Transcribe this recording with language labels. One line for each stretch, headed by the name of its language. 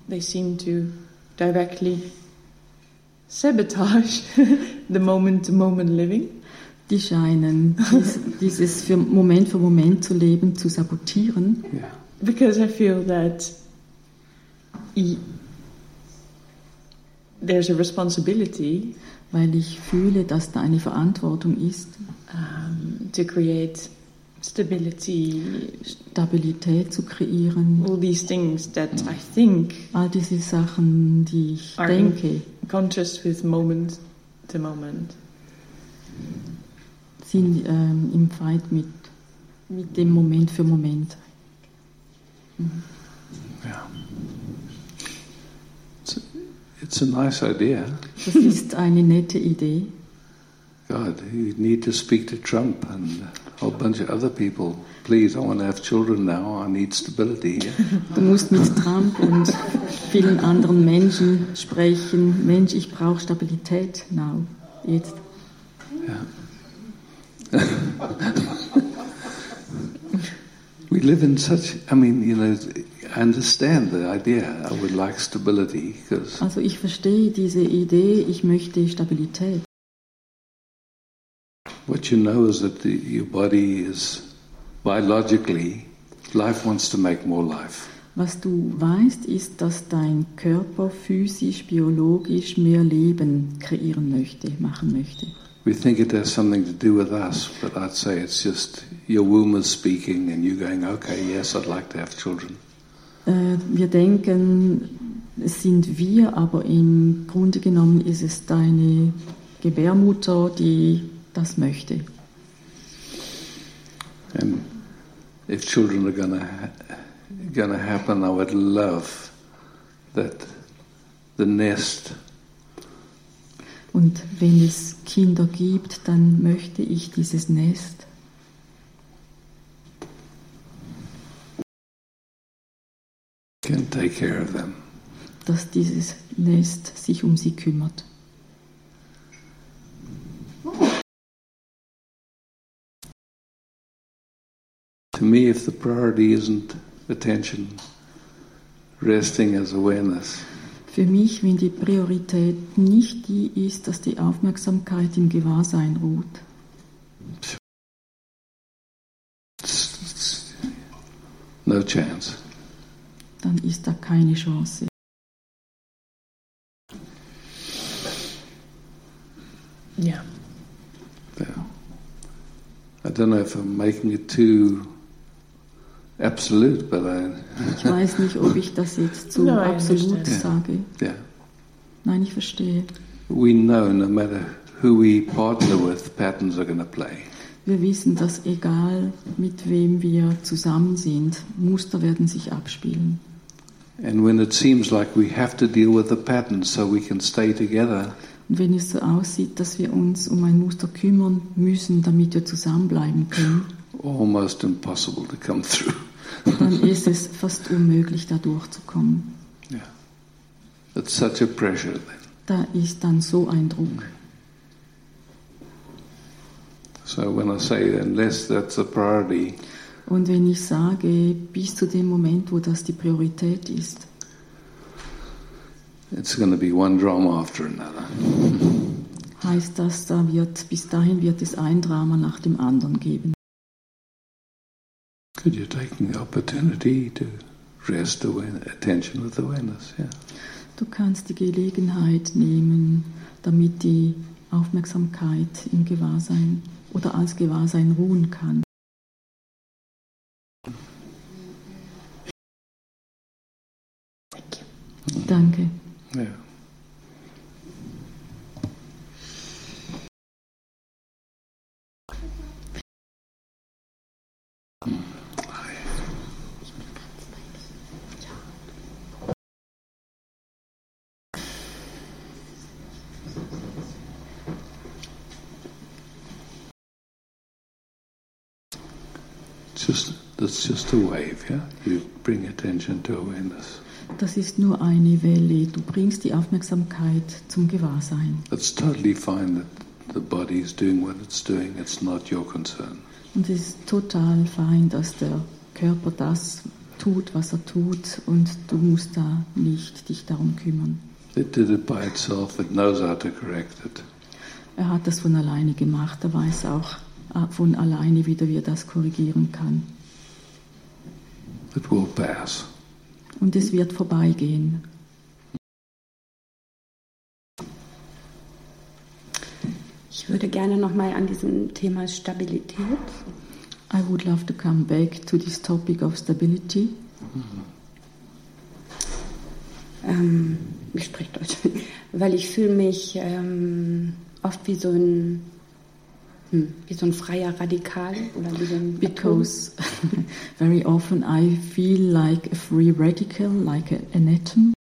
English: They seem to directly sabotage the moment-to-moment living.
German: Die scheinen dieses für Moment zu leben zu sabotieren.
English: Yeah. Because I feel that there's a responsibility,
German: weil ich fühle, dass da eine Verantwortung ist,
English: to create stability,
German: Stabilität zu kreieren.
English: All these things that I think,
German: all diese Sachen, die ich
English: are
German: denke,
English: in contrast with moment to moment.
German: Sind im Fight mit dem Moment für Moment. Mhm. Ja.
English: It's a nice idea.
German: Das ist eine nette Idee.
English: God, you need to speak to Trump and a whole bunch of other people. Please, I want to have children now. I need stability.
German: Du musst mit Trump und vielen anderen Menschen sprechen. Mensch, ich brauche Stabilität
English: now.
German: Jetzt.
English: Yeah. We live in such, I mean, you know, I understand the idea. I would like stability.
German: Also ich verstehe diese Idee. Ich möchte Stabilität.
English: What you know is that your body is biologically, life wants to make more life.
German: Was du weißt, ist, dass dein Körper physisch, biologisch mehr Leben kreieren möchte, machen möchte.
English: We think it has something to do with us, but I'd say it's just your womb is speaking and you're going, okay, yes, I'd like to have children.
German: Wir denken, es sind wir, aber im Grunde genommen ist es deine Gebärmutter, die das möchte.
English: And if children are gonna happen, I would love that the nest.
German: Und wenn es Kinder gibt, dann möchte ich dieses Nest.
English: Can take care of them.
German: Dass dieses Nest sich um sie kümmert.
English: To me, if the priority isn't attention, resting as awareness.
German: Für mich, wenn die Priorität nicht die ist, dass die Aufmerksamkeit im Gewahrsein ruht.
English: No chance.
German: Dann ist da keine Chance. Ja.
English: Yeah. I don't know if I'm making it too absolute, but I.
German: Ich weiß nicht, ob ich das jetzt zu absolut sage.
English: Yeah.
German: Nein, ich verstehe.
English: We know, no matter who we partner with, patterns are going to play.
German: Wir wissen, dass egal mit wem wir zusammen sind, Muster werden sich abspielen.
English: And when it seems like we have to deal with the pattern so we can stay together.
German: Und wenn es so aussieht, dass wir uns um ein Muster kümmern müssen, damit wir zusammenbleiben können.
English: Almost impossible to come through.
German: Dann ist es fast unmöglich, da durchzukommen.
English: Yeah. It's such a pressure then.
German: Da ist dann so ein Druck.
English: So when I say unless that's a priority.
German: Und wenn ich sage, bis zu dem Moment, wo das die Priorität ist.
English: It's going to be one drama after another.
German: Heißt das, da wird, bis dahin wird es ein Drama nach dem anderen geben.
English: Could you take the opportunity to rest attention with awareness? Yeah.
German: Du kannst die Gelegenheit nehmen, damit die Aufmerksamkeit im Gewahrsein oder als Gewahrsein ruhen kann. Danke.
English: Yeah. That's just a wave, yeah? You bring attention to awareness.
German: Das ist nur eine Welle. Du bringst die Aufmerksamkeit zum Gewahrsein.
English: It's totally fine that the body is doing what it's doing. It's not your concern.
German: Und es ist total fein, dass der Körper das tut, was er tut, und du musst da nicht dich darum kümmern.
English: It did it by itself. It knows how to correct it.
German: Er hat das von alleine gemacht. Er weiß auch von alleine, wie er das korrigieren kann.
English: It will pass.
German: Und es wird vorbeigehen. Ich würde gerne nochmal an diesem Thema Stabilität.
English: I would love to come back to this topic of stability.
German: Mm-hmm. Ich spreche Deutsch. Weil ich fühle mich oft wie so ein freier Radikal oder wie so ein Atom.
English: Because very often I feel like a free radical, like an atom.